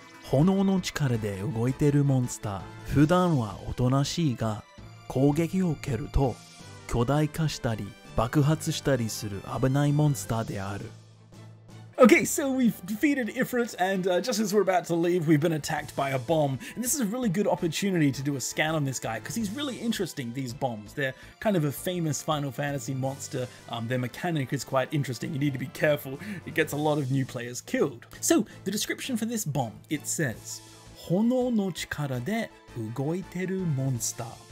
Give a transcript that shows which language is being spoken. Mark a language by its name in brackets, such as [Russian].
[Japanese] 炎の力で動いてるモンスター、普段はおとなしいが、攻撃を受けると巨大化したり爆発したりする危ないモンスターである。 [English] Okay, so we've defeated Ifrit, and just as we're about to leave, we've been attacked by a bomb. And this is a really good opportunity to do a scan on this guy, because he's really interesting, these bombs. They're kind of a famous Final Fantasy monster. Their mechanic is quite interesting. You need to be careful. It gets a lot of new players killed. So, the description for this bomb, it says, [Japanese] 炎の力で動いてるモンスター。